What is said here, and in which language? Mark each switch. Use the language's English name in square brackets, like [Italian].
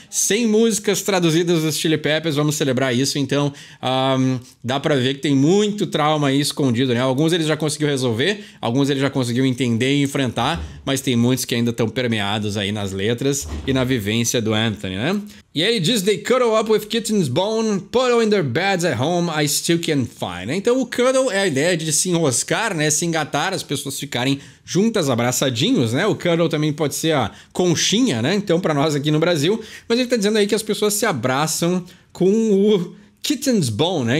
[Portuguese] 100 músicas traduzidas dos Chili Peppers, vamos celebrar isso. Então, dá para ver que tem muito trauma aí escondido, né? Alguns ele já conseguiu resolver, alguns ele já conseguiu entender e enfrentar, mas tem muitos que ainda estão permeados aí nas letras e na vivência do Anthony, né? E aí ele diz, [English] they cuddle up with kitten's bone, put in their beds at home, I still can't find. [Portuguese] Então o cuddle é a ideia de se enroscar, né? Se engatar, as pessoas ficarem juntas, abraçadinhos, né? O cuddle também pode ser a conchinha, né? Então pra nós aqui no Brasil. Mas ele tá dizendo aí que as pessoas se abraçam com o kitten's bone, né?